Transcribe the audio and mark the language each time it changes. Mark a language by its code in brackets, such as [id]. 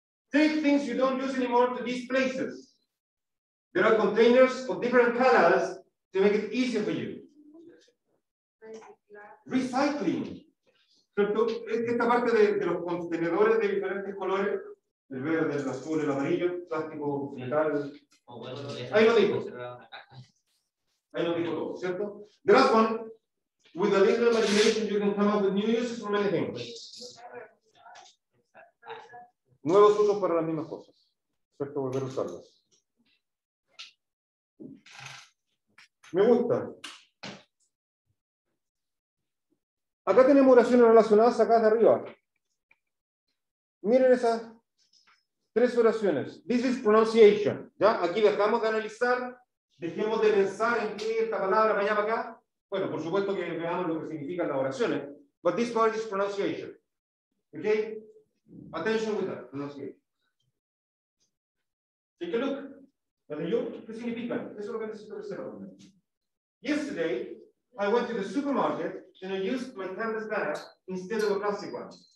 [en] Take things you don't use anymore to these places. There are containers of different colors to make it easier for you. Recycling. [es] Esta parte de los contenedores de diferentes colores, el verde, el azul, el amarillo, el plástico, el metal. Ahí lo digo. Ahí lo digo todo, ¿cierto? [en] The last one, with a little imagination, you can come up with new uses for many things. [es] Nuevos usos para las mismas cosas. ¿Cierto? Volver a usarlas. Me gusta. Acá tenemos oraciones relacionadas acá de arriba. Miren esas tres oraciones. [en] This is pronunciation. ¿Ya? [es] Aquí dejamos de analizar, dejemos de pensar en qué esta palabra me llama acá. Bueno, por supuesto que veamos lo que significan las oraciones. [en] But this part is pronunciation. ¿Ok? Attention with that. Pronunciation. Take a look. And you, [es] ¿qué significa? Eso es lo que necesito hacer ahora. [en] Yesterday, I went to the supermarket and I used my canvas bag instead of a plastic one.